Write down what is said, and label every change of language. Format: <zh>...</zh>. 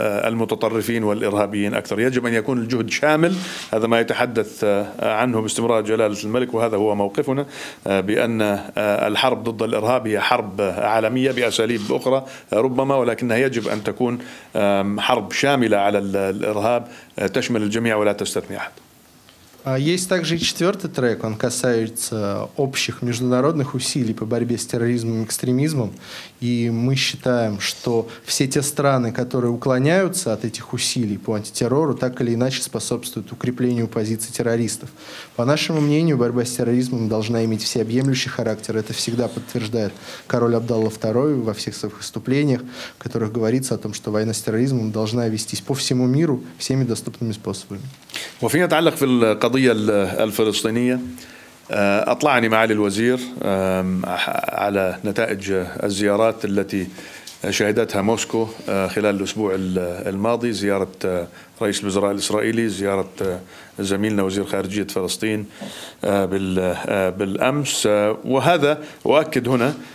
<ar>المتطرفين والإرهابيين أكثر، يجب أن يكون الجهد شامل، هذا ما يتحدث عنه باستمرار جلالة الملك، وهذا هو موقفنا بأن الحرب ضد الإرهاب هي حرب عالمية بأساليب أخرى ربما، ولكنها يجب أن تكون حرب شاملة على الإرهاب تشمل الجميع ولا تستثني أحد.</ar> <ru>Есть также и четвертый трек, он касается общих международных усилий по борьбе с терроризмом и экстремизмом. И мы считаем, что все те страны, которые уклоняются от этих усилий по антитеррору, так или иначе способствуют укреплению позиций террористов. По нашему мнению, борьба с терроризмом должна иметь всеобъемлющий характер. Это всегда подтверждает король Абдалла II во всех своих выступлениях, в которых говорится о том, что война с терроризмом должна вестись по всему миру всеми доступными способами.</ru> <ar>وفيما يتعلق في القضية الفلسطينية أطلعني معالي الوزير على نتائج الزيارات التي شهدتها موسكو خلال الأسبوع الماضي زيارة رئيس الوزراء الإسرائيلي زيارة زميلنا وزير خارجية فلسطين بالأمس وهذا أؤكد هنا</ar>